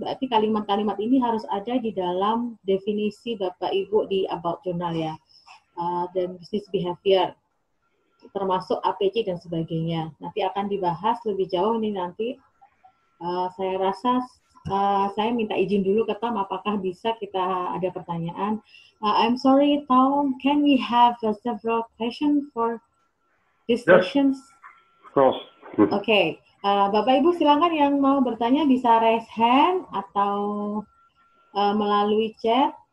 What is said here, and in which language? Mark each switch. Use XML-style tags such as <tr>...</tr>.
<id>Berarti kalimat-kalimat ini harus ada di dalam definisi Bapak Ibu di about journal, ya, dan business behavior termasuk APJ dan sebagainya. Nanti akan dibahas lebih jauh nih nanti. Saya rasa saya minta izin dulu ke Tom, apakah bisa kita ada pertanyaan.</id> <en>I'm sorry, Tom, can we have several questions for discussions? Yes, of course.</en> <id>Okay, Bapak Ibu silakan yang mau bertanya bisa raise hand atau melalui chat.</id>